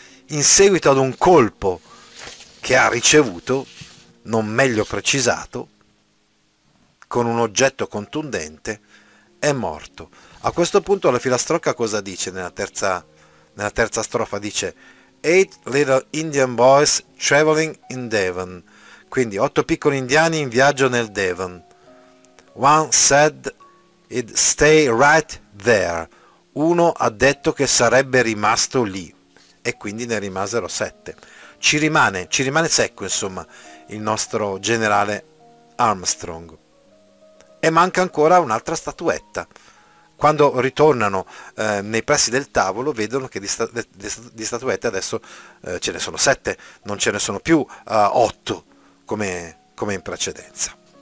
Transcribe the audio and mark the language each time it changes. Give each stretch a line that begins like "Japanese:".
Italian: In seguito ad un colpo che ha ricevuto, non meglio precisato, con un oggetto contundente, è morto. A questo punto la filastrocca cosa dice nella terza strofa? Dice
English: 8 little Indian boys traveling in Devon.
Italian: Quindi 8 piccoli indiani in viaggio nel Devon.
English: One said it'd stay right there.
Italian: Uno ha detto che sarebbe rimasto lì e quindi ne rimasero sette. Ci rimane secco, insomma, il nostro generale Armstrong. E manca ancora un'altra statuetta. Quando ritornano nei pressi del tavolo, vedono che di statuette adesso ce ne sono sette, non ce ne sono più otto, come in precedenza.